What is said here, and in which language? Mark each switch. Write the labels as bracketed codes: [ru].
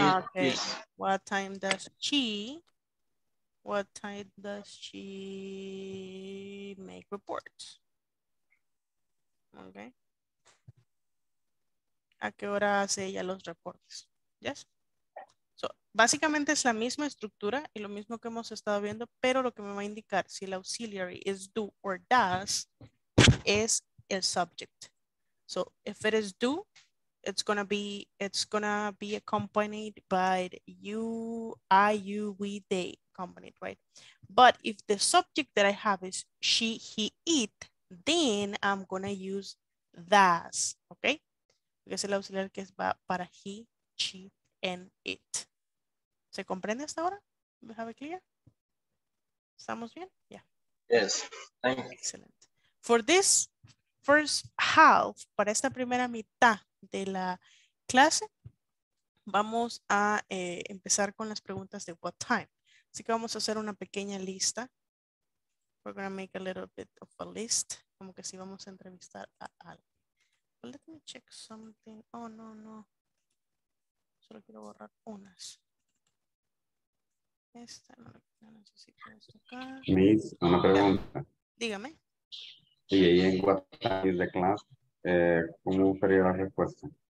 [en] okay. What time does she? What time does she make reports? Okay. [es] ¿A qué hora hace ella los reportes? ¿Yes? So, básicamente es la misma estructura y lo mismo que hemos estado viendo, pero lo que me va a indicar si el [en] auxiliary is do or does [es] es el subject. [en] So, if it is do, it's gonna be accompanied by you, I, you, we, they accompanied, right? But if the subject that I have is she, he, it, then I'm gonna use does, okay? [es] Que es el auxiliar que va para he, she, and it. ¿Se comprende hasta ahora? ¿Me [en] have it clear? [es] ¿Estamos bien? Yeah. [en] Yes. Thank you. Excellent. For this first half, [es] para esta primera mitad de la clase, vamos a empezar con las preguntas de what time. Así que vamos a hacer una pequeña lista. [en] We're going to make a little bit of a list. [es] Como que si vamos a entrevistar a alguien. [en] Let me check something. Oh, no, no. [es] Solo quiero borrar unas. Esta no la necesito. Miss, una pregunta. Dígame. Y ahí en WhatsApp de clase, ¿cómo sería la respuesta?